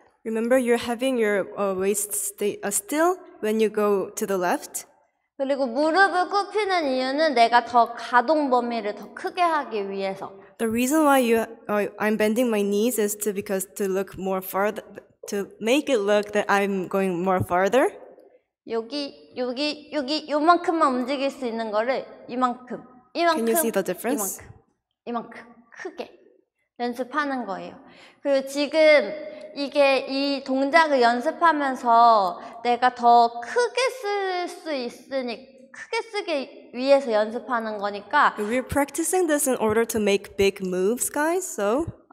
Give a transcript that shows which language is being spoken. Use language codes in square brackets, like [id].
[en] Remember, you're having your waist stay still when you go to the left. [ko] 그리고 무릎을 굽히는 이유는 내가 더 가동 범위를 더 크게 하기 위해서. [en] The reason why I'm bending my knees is to because to look more farther, to make it look that I'm going more farther. [ko] 여기 요만큼만 움직일 수 있는 거를 [en] Can you see the difference? [ko] 이만큼 크게 연습하는 거예요. 그리고 지금 이게 이 동작을 연습하면서 내가 더 크게 쓸수 있으니 크게 쓰기 위해서 연습하는 거니까 [en] We're practicing this in order to make big moves, guys, so.